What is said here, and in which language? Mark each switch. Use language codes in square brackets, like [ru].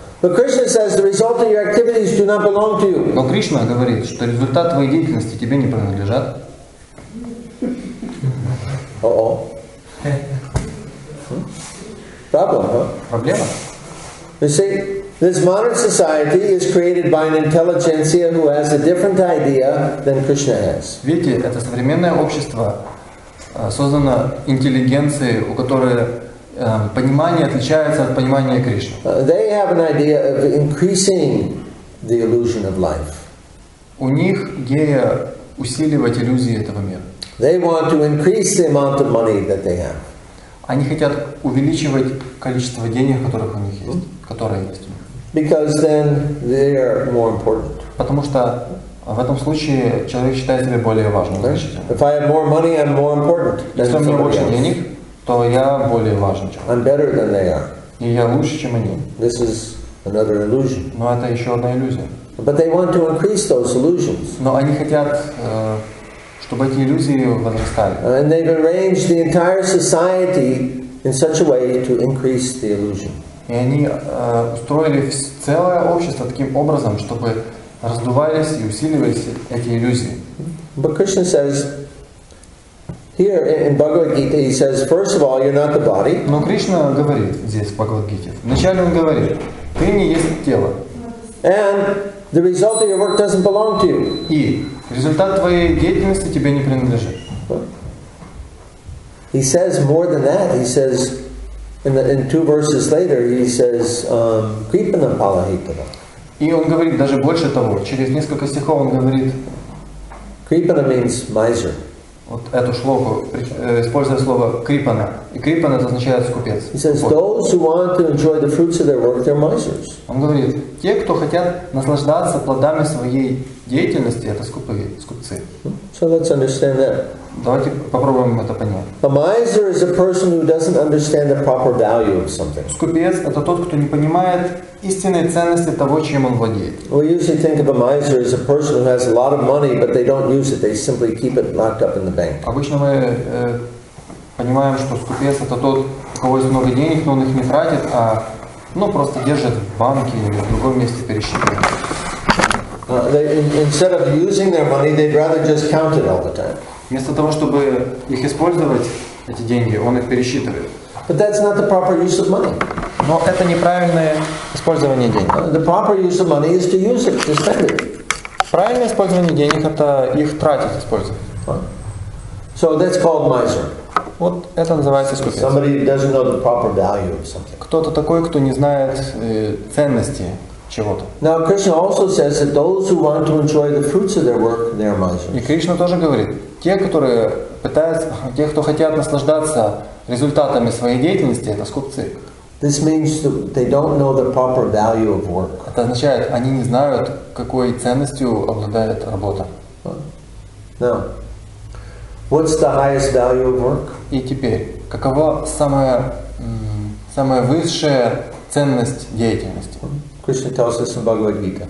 [en] But Krishna says the result of your activities do not belong to you. [ru] Но Кришна говорит, что результат твоей деятельности тебе не принадлежат. [en] Problem, huh? [ru] Проблема. [en] You see, this modern society is created by an intelligentsia who has a different idea than Krishna has. [ru] Видите, это современное общество создано интеллигенцией, у которой понимание отличается от понимания Кришны. [en] They have an idea of increasing the illusion of life. [ru] У них идея усиливать иллюзии этого мира. [en] They want to increase the amount of money that they have. [ru] Они хотят увеличивать количество денег, которых у них есть, которые есть у них. [en] Because then they are more important. [ru] Потому что в этом случае человек считает себя более важным. [en] Right? If I have more money, I'm more important. [ru] Если у меня больше денег, то я более важен, чем [en] I'm better than they are. [ru] И я лучше, чем они. [en] This is another illusion. [ru] Но это еще одна иллюзия. [en] But they want to increase those illusions. [ru] Но они хотят, чтобы эти иллюзии возрастали. [en] And they've arranged the entire society in such a way to increase the illusion. [ru] И они устроили целое общество таким образом, чтобы раздувались и усиливались эти иллюзии. [en] But Krishna says, here in Bhagavad Gita, he says, first of all, you're not the body. [ru] Но Кришна говорит здесь в Бхагавад Гите. Вначале он говорит, ты не есть тело. [en] And the result of your work doesn't belong to you. [ru] И результат твоей деятельности тебе не принадлежит. [en] He says more than that. He says, in two verses later, he says, [sa] Kripanam Palahitava. [ru] И он говорит даже больше того. Через несколько стихов он говорит. [en] Kripana means miser. [ru] Вот эту шлоку, используя слово «крипана», И крипан — это означает скупец. [en] He says, those who want to enjoy the fruits of their work, they're misers. [ru] Он говорит, те, кто хотят наслаждаться плодами своей деятельности, это скупые, скупцы. [en] So let's understand that. [ru] Давайте попробуем это понять. [en] A miser is a person who doesn't understand the proper value of something. [ru] Скупец — это тот, кто не понимает истинной ценности того, чем он владеет. [en] We usually think of a miser as a person who has a lot of money, but they don't use it. They simply keep it locked up in the bank. [ru] Обычно мы понимаем, что скупец — это тот, у кого есть много денег, но он их не тратит, а просто держит в банке или в другом месте пересчитывает. [en] Instead of using their money, they'd rather just count it all the time. [ru] Вместо того, чтобы их использовать, эти деньги, он их пересчитывает. [en] But that's not the proper use of money. [ru] Но это неправильное использование денег. [en] The proper use of money is to use it, to spend it. [ru] Правильное использование денег — это их тратить, использовать. [en] So that's called miser. [ru] Вот это называется скупец. [en] Somebody doesn't know the proper value of something. [ru] Кто-то такой, кто не знает ценности чего-то. [en] Now Krishna also says that those who want to enjoy the fruits of their work, they are misers. [ru] И Кришна тоже говорит, те, кто хотят наслаждаться результатами своей деятельности, это скупцы. [en] This means that they don't know the proper value of work. [ru] Это означает, они не знают, какой ценностью обладает работа. [en] Now, what's the highest value of work? [ru] И теперь, какова самая высшая ценность деятельности? [en] Krishna tells us in Bhagavad Gita.